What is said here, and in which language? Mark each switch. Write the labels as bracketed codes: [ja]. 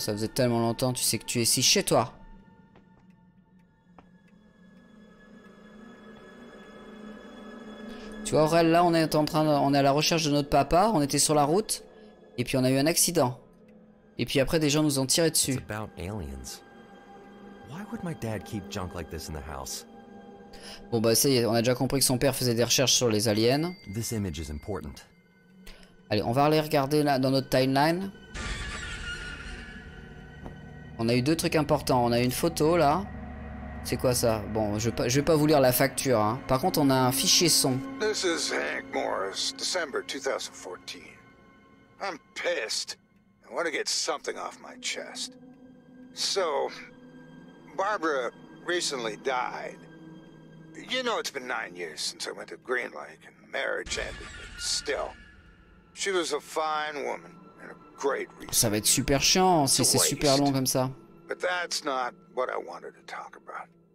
[fr] Ça faisait tellement longtemps, tu sais que tu es ici chez toi. Tu vois, Aurel, là, on est à la recherche de notre papa. On était sur la route. Et puis, on a eu un accident. Et puis après, des gens nous ont tiré dessus. [en] It's about aliens. Why would my dad keep junk like this in the house? [fr] Bon bah ça y est, on a déjà compris que son père faisait des recherches sur les aliens. [en] This image is important. [fr] Allez, on va aller regarder là dans notre timeline. On a eu deux trucs importants. On a une photo là. C'est quoi ça? Bon, je vais pas vous lire la facture. Hein. Par contre, on a un fichier son. [en] This is Hank Morris, December 2014. I'm pissed. I want to get something off my chest. So, Barbara recently died. You know it's been 9 years since I went to Green Lake and the marriage ended, but still. She was a fine woman and a great reason. [fr] Ça va être super chiant si c'est super long comme ça. [en] But that's not what I wanted to talk about.